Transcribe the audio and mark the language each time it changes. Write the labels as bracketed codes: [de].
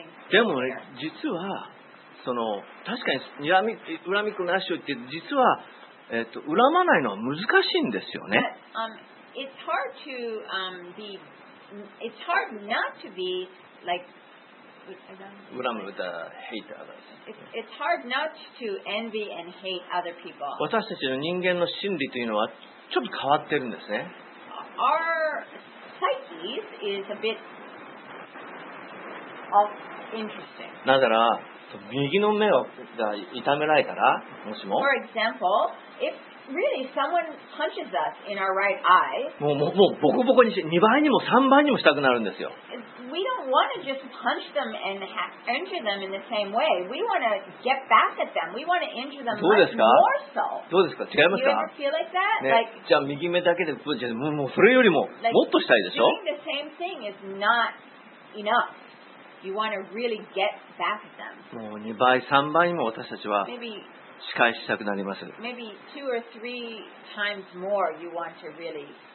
[ja] でもね、実はその確かに恨みっこなしよって実は、恨まないのは難しいんですよね。 [en] It's hard to, be, it's hard not to be like, [ja] 恨むだ、 [en] hate others. It's hard not to envy and hate other people. [ja] 私たちの人間の心理というのはちょっと変わってるんですね。 [en] Our psyche is a bit off. [ja] なぜなら右の目が痛められたら、もしも、 [en] for example, if really someone punches us in our right eye, [ja] もうボコボコにして2倍にも3倍にもしたくなるんですよ。 [en] we don't want to just punch them and injure them in the same way. We want to get back at them. We want to injure them more so. [ja] どうですか？違いますか？ [en] Do you ever feel like that? [ja] ね、 [en] like, [ja] じゃあ右目だけで、じゃあもうそれよりももっとしたいでしょ？ [en] Like, doing the same thing is not enough. You want to really get back at them. [ja] もう2倍、3倍にも私たちは仕返したくなります。 [en] Maybe two or three times more you want to really...